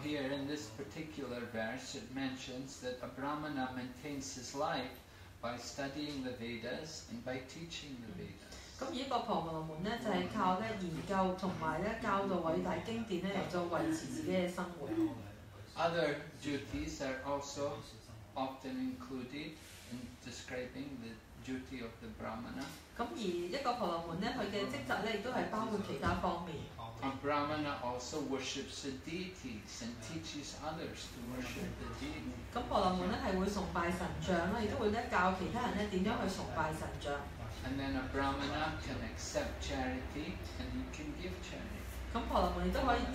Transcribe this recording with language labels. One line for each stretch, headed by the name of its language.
English: here in this particular verse, it mentions that a Brahmana maintains his life by studying the Vedas and by teaching the Vedas.
Cantonese: 咁依個婆羅門咧，就係靠咧研究同埋咧教導偉大經典咧嚟做維持自己嘅生活。
English: Other duties are also often included in describing the duty of the Brahmana.
Cantonese: 咁而一個婆羅門咧，佢嘅職責咧亦都係包括其他方面。
English: A Brahmana also worships the deities and teaches others to worship the deities.
Cantonese: 咁婆羅門咧係會崇拜神像啦，亦都會咧教其他人咧點樣去崇拜神像。
English: And then a Brahmana can accept charity and he can give charity.